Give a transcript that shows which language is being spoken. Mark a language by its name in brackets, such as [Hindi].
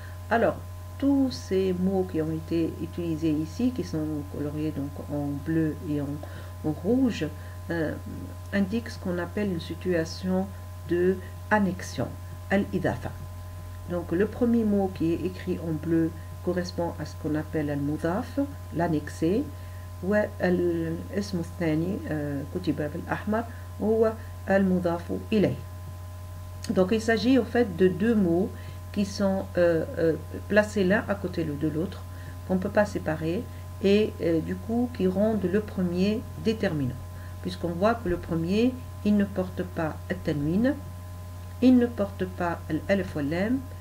[French] Alors tous ces mots qui ont été utilisés ici, qui sont coloriés donc en bleu et en rouge, indiquent ce qu'on appelle une situation de annexion, al-idafa. Donc le premier mot qui est écrit en bleu correspond à ce qu'on appelle al-mudaf, l'annexé. [Arabic] والاسم الثاني كتب بالأحمر هو المضاف إليه. [French] Donc il s'agit en fait de deux mots qui sont placés l'un à côté de l'autre, qu'on ne peut pas séparer, et du coup qui rendent le premier déterminant, puisqu'on voit que le premier, il ne porte pas التنوين, il ne porte pas الألف واللام.